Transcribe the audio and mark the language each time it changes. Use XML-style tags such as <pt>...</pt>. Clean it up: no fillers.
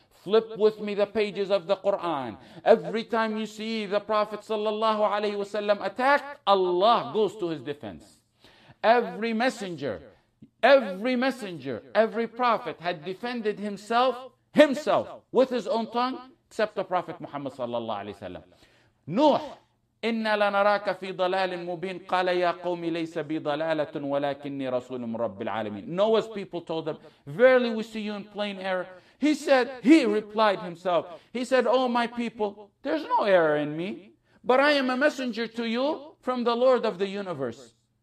<en>Flip with me the pages of the Quran. Every time you see the Prophet sallallahu alayhi wasallam attack, Allah goes to his defense. Every messenger, every prophet had defended himself with his own tongue, except the Prophet Muhammad sallallahu alayhi wasallam. Nuh.</en> <ar>إِنَّا لَنَرَاكَ فِي ضَلَالٍ مُّبِينٍ قَالَ يَا قَوْمِ لَيْسَ بِضَلَالَةٍ وَلَكِنِّي رَسُولٌ رَبِّ الْعَالَمِينَ</ar> <en>Noah's people told him, verily we see you in plain error. He replied himself, oh my people, there's no error in me, but I am a messenger to you from the Lord of the universe.</en>